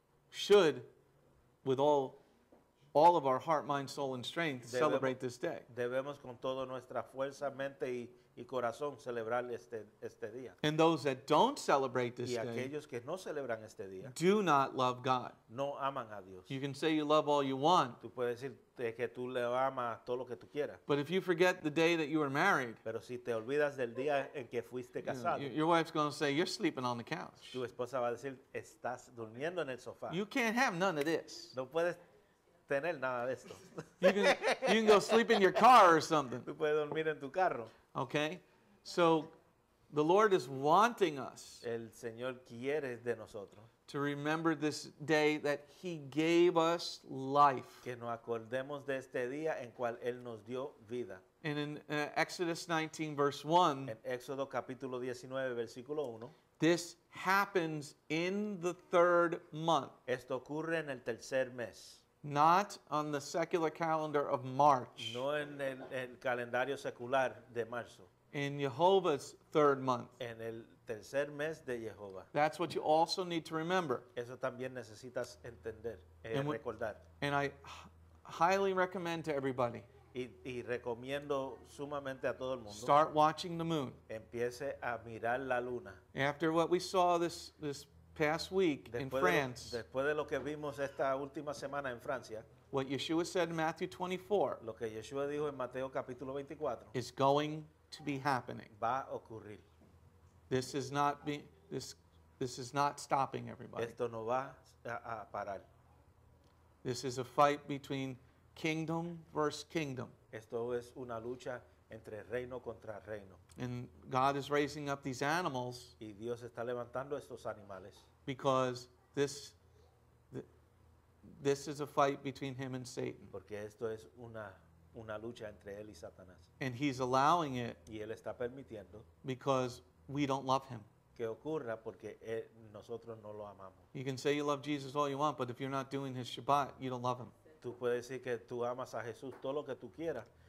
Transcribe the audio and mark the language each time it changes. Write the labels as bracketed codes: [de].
[en] should, with all of our heart, mind, soul, and strength, debemos, celebrate this day. [es] Debemos con toda nuestra fuerza, mente y corazón celebrar este día. [en] And those that don't celebrate this [es] y aquellos [en] day [es] que no celebran este día, [en] do not love God. [es] No aman a Dios. [en] You can say you love all you want. [es] Tú puedes decir que tú le amas todo lo que tú quieras. [en] But if you forget the day that you were married, [es] pero si te olvidas del día en que fuiste casado, [en] your wife's going to say, you're sleeping on the couch. [es] Tu esposa va a decir, estás durmiendo en el sofá. [en] You can't have none of this. [es] No puedes tener nada de esto. [en] You can go sleep in your car or something. [es] Tú puedes dormir en tu carro. [en] Okay? So, the Lord is wanting us, [es] el Señor quiere de nosotros, [en] to remember this day that He gave us life. [es] Que nos acordemos de este día en cual Él nos dio vida. [en] And in Exodus 19, verse 1, [es] en Éxodo capítulo 19, versículo 1, [en] this happens in the third month. [es] Esto ocurre en el tercer mes. [en] Not on the secular calendar of March. [es] No en el calendario secular de marzo. [en] In Jehovah's third month. [es] En el tercer mes de Jehová. [en] That's what you also need to remember. [es] Eso también necesitas entender, recordar. [en] And I highly recommend to everybody. [es] Y recomiendo sumamente a todo el mundo. [en] Start watching the moon. [es] Empiece a mirar la luna. [en] After what we saw this past week in France. [es] Después de lo que vimos esta última semana en Francia. [en] What Yeshua said in Matthew 24. [es] Lo que Yeshua dijo en Mateo capítulo 24. [en] Is going to be happening. [es] Va a ocurrir. [en] This is not stopping everybody. [es] Esto no va a parar. [en] This is a fight between kingdom versus kingdom. [es] Esto es una lucha entre reino contra reino. [en] And God is raising up these animals. [es] Y Dios está levantando estos animales. [en] Because this is a fight between him and Satan. [es] Porque esto es una lucha entre él y Satanás. [en] And he's allowing it. [es] Y él está permitiendo. [en] Because we don't love him. [es] Que ocurra porque nosotros no lo amamos. [en] You can say you love Jesus all you want, but if you're not doing his Shabbat, you don't love him. [es] Tú puedes decir que tú amas a Jesús todo lo que tú quieras.